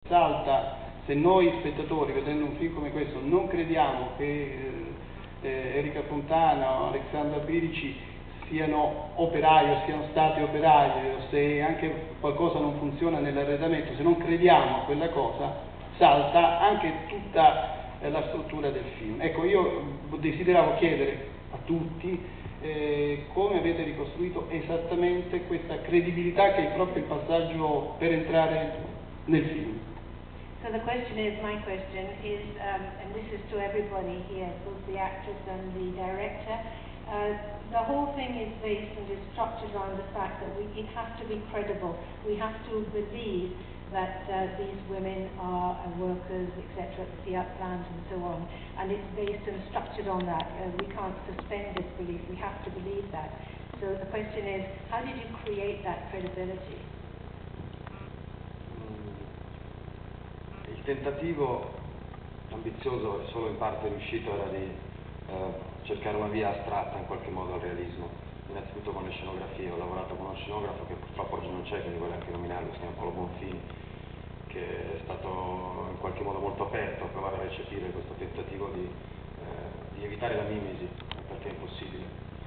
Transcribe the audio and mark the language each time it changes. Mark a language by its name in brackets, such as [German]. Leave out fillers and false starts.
[Italian] salta, se noi spettatori vedendo un film come questo non crediamo che Erika Fontana o Alexandra Birici siano operai o siano stati operai, o se anche qualcosa non funziona nell'arredamento, se non crediamo a quella cosa, salta anche tutta la struttura del film. Ecco, io desideravo chiedere a tutti come avete ricostruito esattamente questa credibilità che è proprio il passaggio per entrare nel film. [English] So the question is, my question is, and this is to everybody here, both the actress and the director, the whole thing is based and is structured around the fact that it has to be credible. We have to believe that these women are workers, etc., at the Fiat plant and so on. And it's based and structured on that. We can't suspend this belief. We have to believe that. So the question is, how did you create that credibility? [Italian] Il tentativo ambizioso e solo in parte riuscito era di cercare una via astratta in qualche modo al realismo, innanzitutto con le scenografie. Ho lavorato con uno scenografo che purtroppo oggi non c'è, quindi vorrei anche nominarlo, si chiama Paolo Bonfini, che è stato in qualche modo molto aperto a provare a recepire questo tentativo di evitare la mimesi, perché è impossibile.